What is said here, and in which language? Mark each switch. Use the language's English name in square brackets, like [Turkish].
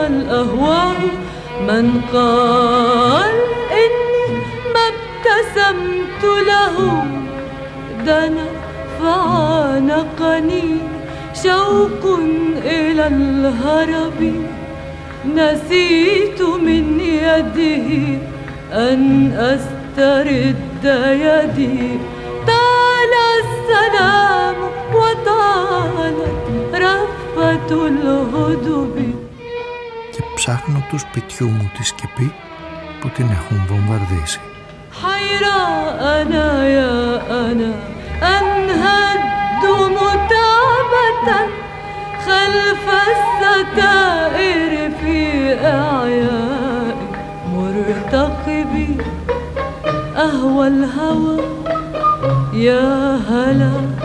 [Arabic] أهوى من قال إني ما ابتسمت له دنا فعانقني شوق إلى الهرب نسيت من يده أن أسترد يدي طال السلام وطالت رفة الهدب. [Greek] Και ψάχνω του σπιτιού μου τη σκεπή που την έχουν βομβαρδίσει. [Arabic] حيرة أنا يا أنا أنهد متعبة خلف الستائر في إعياء مرتقبي أهوى الهوى يا هلا